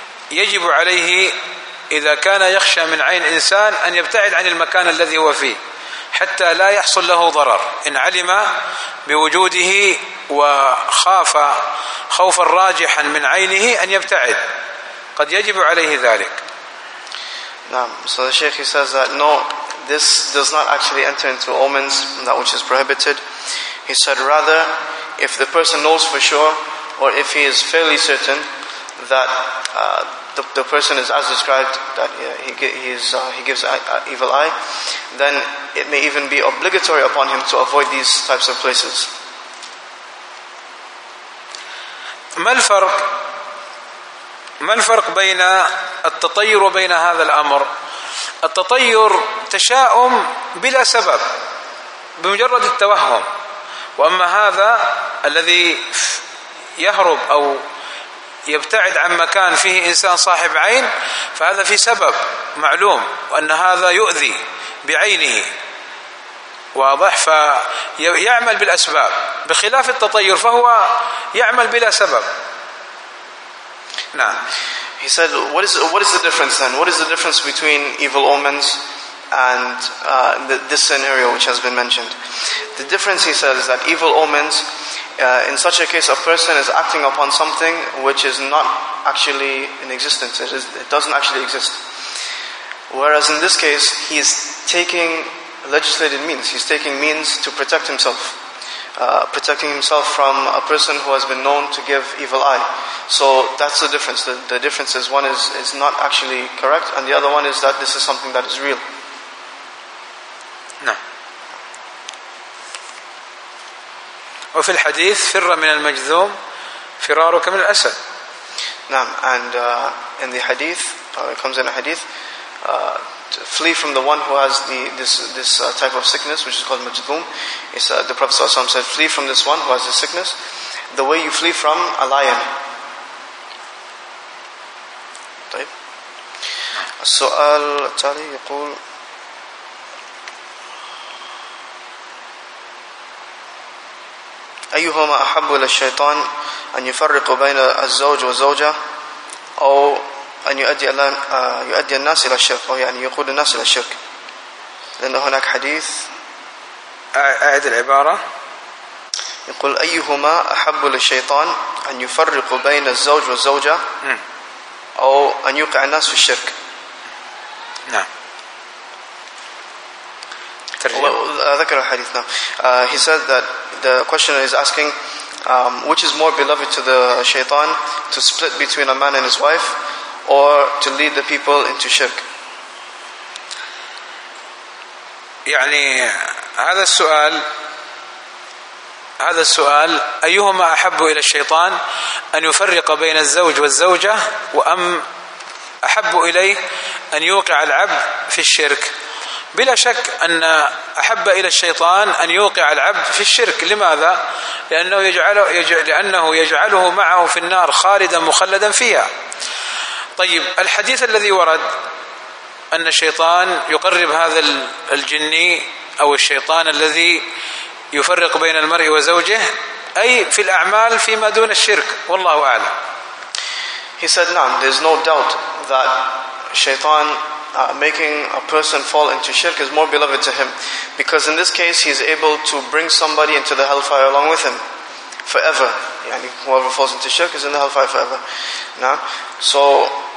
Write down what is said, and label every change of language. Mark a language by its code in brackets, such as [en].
[ar] يجب عليه إذا كان يخشى من عين إنسان أن يبتعد عن المكان الذي هو فيه حتى لا يحصل له ضرر, إن علم بوجوده وخاف خوفا راجحا من عينه أن يبتعد, قد يجب عليه ذلك. نعم. [en] So the Sheikh, he says that no, this does not actually enter into omens, that which is prohibited. He said rather, if the person knows for sure, or if he is fairly certain that the person is as described, that he gives an evil eye, then it may even be obligatory upon him to avoid these types of places. ما الفرق بين التطير وبين هذا الأمر؟ التطير تشاؤم بلا سبب بمجرد التوهم, وأما هذا الذي يهرب أو يبتعد عن مكان فيه إنسان صاحب عين فهذا في سبب معلوم وأن هذا يؤذي بعينه, واضح, فيعمل بالأسباب, بخلاف التطير فهو يعمل بلا سبب. نعم. He said, what is the difference then? What is the difference between evil omens and this scenario which has been mentioned? The difference, he says, is that evil omens, in such a case, a person is acting upon something which is not actually in existence. It doesn't actually exist. Whereas in this case, he is taking legislated means. He's taking means to protect himself. Protecting himself from a person who has been known to give evil eye. So that's the difference. The difference is one is not actually correct, and the other one is that this is something that is real. No. [ar] وفي الحديث فر من المجذوم فرارك من الأسد. نعم. [en] And in the hadith, it comes in a hadith, to flee from the one who has this type of sickness, which is called majdhum. The Prophet ﷺ said, flee from this one who has this sickness, the way you flee from a lion. [ar] طيب. السؤال التالي يقول. أيهما أحب إلى الشيطان أن يفرق بين الزوج والزوجة أو أن يؤدي الناس إلى الشرك أو يعني يقود الناس إلى الشرك لأن هناك حديث أعد العبارة يقول أيهما أحب إلى الشيطان أن يفرق بين الزوج والزوجة أو أن يوقع الناس في الشرك نعم ذكر الحديث نعم [en] he said that the questioner is asking which is more beloved to the shaitan to split between a man and his wife or to lead the people into shirk [ar] يعني هذا السؤال أيهما أحب إلى الشيطان أن يفرق بين الزوج والزوجة وأم أحب إليه أن يوقع العبد في الشرك بلا شك أن أحب إلى الشيطان أن يوقع العبد في الشرك لماذا؟ لأنه يجعله معه في النار خالدا مخلدا فيها طيب الحديث الذي ورد أن الشيطان يقرب هذا الجني أو الشيطان الذي يفرق بين المرء وزوجه أي في الأعمال فيما دون الشرك والله أعلم [en] He said [ar] نعم [en] there is no doubt that شيطان making a person fall into shirk is more beloved to him because in this case he is able to bring somebody into the hellfire along with him forever yani whoever falls into shirk is in the hellfire forever now so